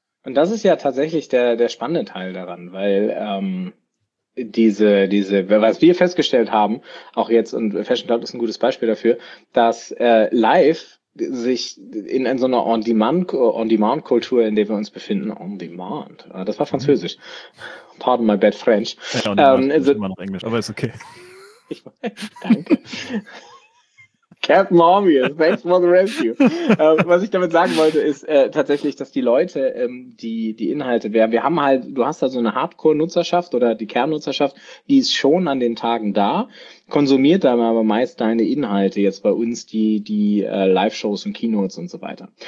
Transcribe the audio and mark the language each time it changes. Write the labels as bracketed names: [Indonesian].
[German] Und das ist ja tatsächlich der spannende Teil daran, weil diese, was wir festgestellt haben, auch jetzt, und Fashion Cloud ist ein gutes Beispiel dafür, dass live sich in so einer On-Demand-Kultur, in der wir uns befinden, On-Demand, das war Französisch, [English] pardon my bad French. [German] Ja, On-Demand ist immer noch Englisch, aber ist okay. Danke. [English] Captain Obvious, thanks for the rescue. [German] Was ich damit sagen wollte, ist tatsächlich, dass die Leute, die Inhalte, wir haben halt, du hast da so eine Hardcore-Nutzerschaft oder die Kernnutzerschaft, die ist schon an den Tagen da, konsumiert dann aber meist deine Inhalte jetzt bei uns, die Live-Shows und Keynotes und so weiter.